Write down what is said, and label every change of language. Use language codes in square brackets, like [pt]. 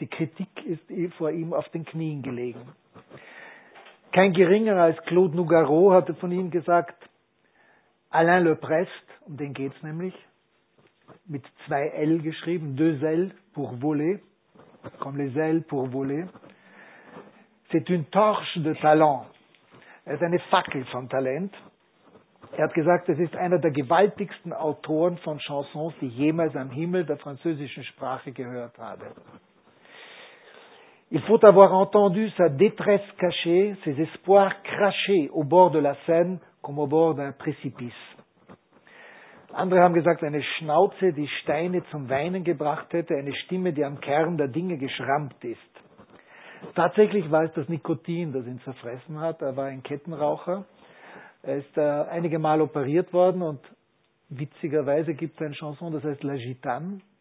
[de] Die Kritik ist vor ihm auf den Knien gelegen. Kein Geringerer als Claude Nougaro hatte von ihm gesagt, Alain Le Prest, um den geht es nämlich, mit zwei L geschrieben, [fr] deux L pour voler, comme les ailes pour voler. C'est une torche de talent. [de] Er ist eine Fackel von Talent. Er hat gesagt, es ist einer der gewaltigsten Autoren von Chansons, die jemals am Himmel der französischen Sprache gehört habe. [fr] Il faut avoir entendu sa détresse cachée, ses espoirs crachés au bord de la Seine comme au bord d'un précipice. [de] Andere haben gesagt, eine Schnauze, die Steine zum Weinen gebracht hätte, eine Stimme, die am Kern der Dinge geschrammt ist. Tatsächlich war es das Nikotin, das ihn zerfressen hat. Er war ein Kettenraucher. Er ist einige Mal operiert worden und witzigerweise gibt es ein Chanson, das heißt La Gitane.